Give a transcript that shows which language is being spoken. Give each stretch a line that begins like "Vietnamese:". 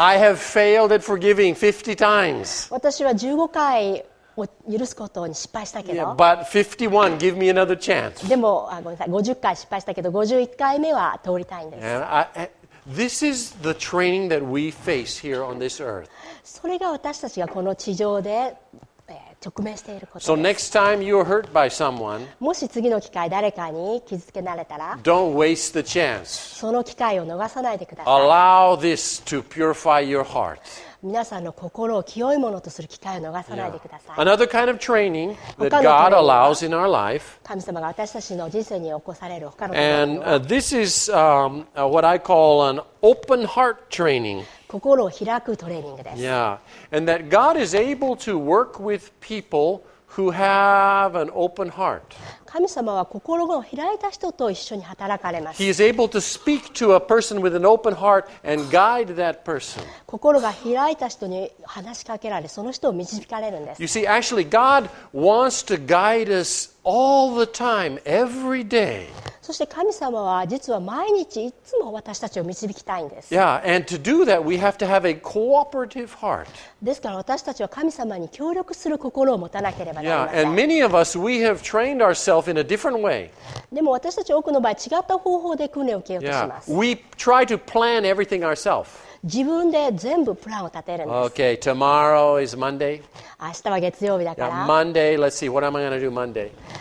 English: I have failed at forgiving 50 times.
Japanese: 私は15回を許すことに失敗したけど。
English: Yeah, but 51, give me another chance.
Japanese: でも、ごめんなさい、50回失敗したけど、51回目は通りたいんです。
English: And this is the training that we face here on this earth.
Japanese: それが私たちがこの地上で直面していることです。
English: So next time you're hurt by someone,
Japanese: もし次の機会誰かに傷つけられたら、
English: don't waste the chance.
Japanese: その機会を逃さないでください。
English: Allow this to purify your heart.
Japanese: 皆さんの心を清いものとする機会を逃さないでください。 Yeah.
English: Another kind of training that God allows in our life.
Japanese: 神様が私たちの人生に起こされる他のトレーニング。
English: And this is what I call an open heart training.
Japanese: 心を開くトレーニングです。 Yeah.
English: And that God is able to work with people who have an open heart.
Japanese: 神様は心を開いた人と一緒に働かれます。
English: He is able to speak to a person with an open heart and guide that person.
Japanese: 心が開いた人に話しかけられ、その人を導かれるんです。
English: You see, actually, God wants to guide us all the time, every day.
Japanese: そして神様は実は毎日いつも私たちを導きたいんです。
English: Yeah, and to do that, we have to have a cooperative heart.
Japanese: ですから私たちは神様に協力する心を持たなければなりません。
English: Yeah, and many of us, we have trained ourselves in a different way.
Japanese: でも私たち多くの場合違った方法で訓練を受けようとします。
English: Yeah, we try to plan everything ourselves.
Japanese: 自分で全部プランを立てるんです。
English: Okay, tomorrow is Monday.
Japanese: 明日は月曜日だから。
English: Yeah, Monday, let's see, what am I going to do Monday?